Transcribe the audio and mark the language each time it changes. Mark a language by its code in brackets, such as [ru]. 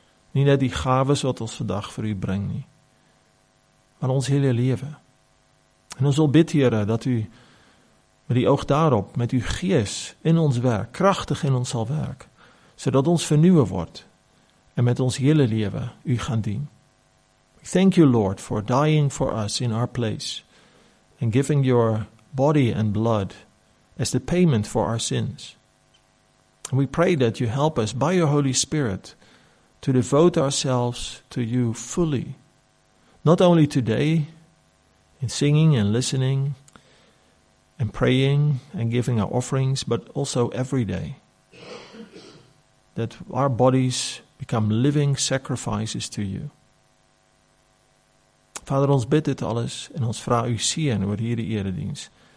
[af] Niet net die gaven wat ons vandaag voor u brengt, niet. Maar ons hele leven. En ons wil bid, Heere, dat u met die oog daarop, met uw geest in ons werk, krachtig in ons zal werken, zodat ons vernieuwen wordt en met ons hele leven u gaan dienen. [en] Thank you, Lord, for dying for us in our place and giving your body and blood as the payment for our sins. We pray that you help us by your Holy Spirit to devote ourselves to you fully. Not only today in singing and listening and praying and giving our offerings, but also every day. That our bodies become living sacrifices to you. [af] Vader, ons bid dit alles en ons vraag u zien over hier de eredienst.